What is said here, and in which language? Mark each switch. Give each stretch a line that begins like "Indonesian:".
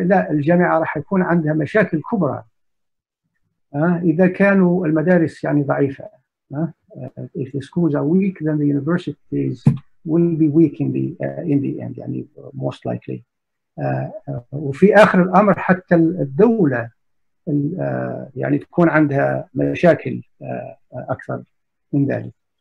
Arabic: الجامعة راح يكون عندها مشاكل كبرى إذا كانوا المدارس يعني ضعيفة.
English: If the schools are weak, then the universities will be weak in the end, يعني most likely.
Arabic: وفي آخر الأمر حتى الدولة يعني تكون عندها مشاكل أكثر من ذلك.